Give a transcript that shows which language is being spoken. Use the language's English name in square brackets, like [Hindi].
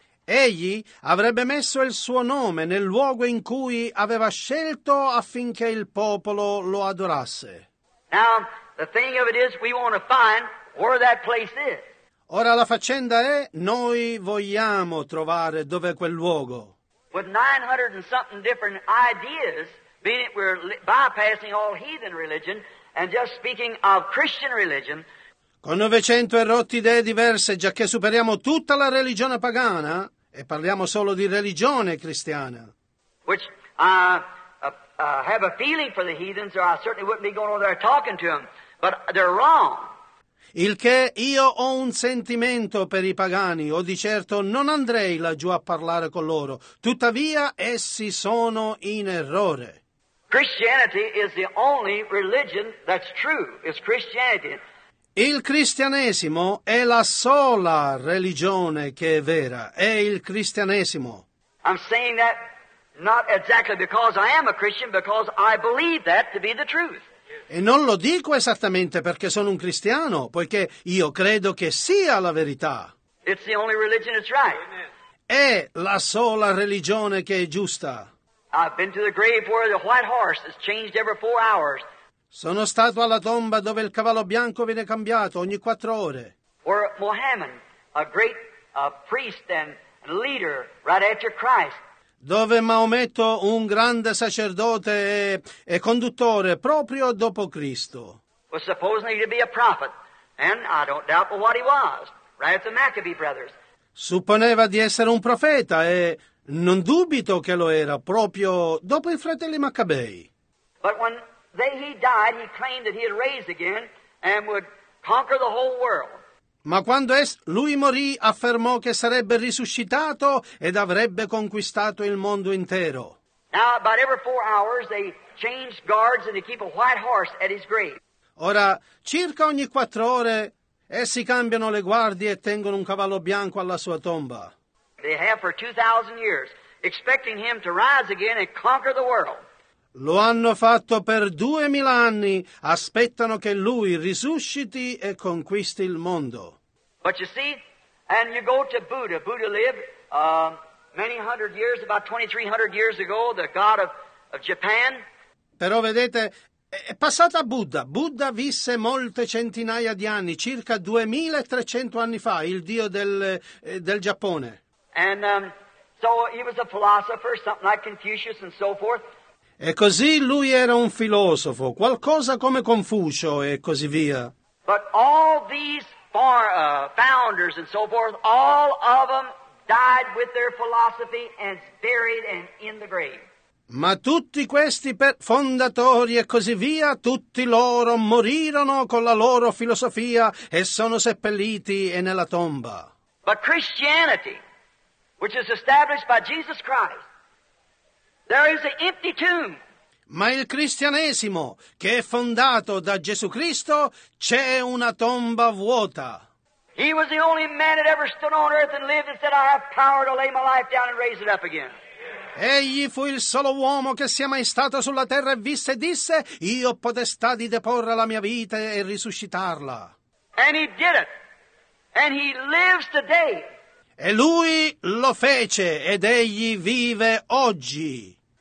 [Italian] Egli avrebbe messo il suo nome nel luogo in cui aveva scelto affinché il popolo lo adorasse. [English] Now, the thing of it is, we want to find where that place is. [Italian] Ora la faccenda è, noi vogliamo trovare dove quel luogo. [English] With 900 and something different ideas, being it we're bypassing all heathen religion, and just speaking of Christian religion, [Italian] con 900 e rotti idee diverse, giacché superiamo tutta la religione pagana e parliamo solo di religione cristiana. [English] Which have a feeling for the heathens, or I certainly wouldn't be going over there talking to them. But they're wrong. [Italian] Il che io ho un sentimento per i pagani, o di certo non andrei laggiù a parlare con loro. Tuttavia, essi sono in errore. [English] Christianity is the only religion that's true. It's Christianity. [Italian] Il cristianesimo è la sola religione che è vera. È il cristianesimo. [English] I'm saying that not exactly because I am a Christian, because I believe that to be the truth. [Italian] E non lo dico esattamente perché sono un cristiano, poiché io credo che sia la verità. [English] It's the only religion that's right. [Italian] È la sola religione che è giusta. [English] I've been to the grave where the white horse has changed every 4 hours. [Italian] Sono stato alla tomba dove il cavallo bianco viene cambiato ogni 4 ore. [English] Where Mohammed, a great priest and leader right after Christ. [Italian] Dove Maometto, un grande sacerdote e conduttore proprio dopo Cristo. [English] Was supposedly to be a prophet, and I don't doubt but what he was, right at the Maccabee brothers. [Italian] Supponeva di essere un profeta e non dubito che lo era, proprio dopo i fratelli Maccabei. [English] But when they, he died, he claimed that he had raised again and would conquer the whole world. [Italian] Ma quando lui morì, affermò che sarebbe risuscitato ed avrebbe conquistato il mondo intero. [English] Now, about every 4 hours, they changed guards and they keep a white horse at his grave. [Italian] Ora, circa ogni 4 ore, essi cambiano le guardie e tengono un cavallo bianco alla sua tomba. [English] They have for 2,000 years, expecting him to rise again and conquer the world. [Italian] Lo hanno fatto per 2,000 anni, aspettano che lui risusciti e conquisti il mondo. [English] But you see, And you go to Buddha. Buddha lived many hundred years, about 2,300 years ago, the god of Japan. [Italian] Però vedete, è passata Buddha. Buddha visse molte centinaia di anni, circa 2,300 anni fa, il dio del Giappone. [English] And so he was a philosopher, something like Confucius and so forth. [Italian] E così lui era un filosofo, qualcosa come Confucio e così via. [English] But all these founders and so forth, all of them died with their philosophy and buried and in the grave. [Italian] Ma tutti questi fondatori e così via, tutti loro morirono con la loro filosofia e sono seppelliti e nella tomba. [English] But Christianity, which is established by Jesus Christ, there is an empty tomb. [Italian] Ma il cristianesimo, che è fondato da Gesù Cristo, c'è una tomba vuota. [English] He was the only man that ever stood on earth and lived and said, I have power to lay my life down and raise it up again. [Italian] Egli fu il solo uomo che sia mai stato sulla terra e visse e disse, io ho potestà di deporre la mia vita e risuscitarla. [English] And he did it. And he lives today. [Italian] E lui lo fece ed egli vive oggi.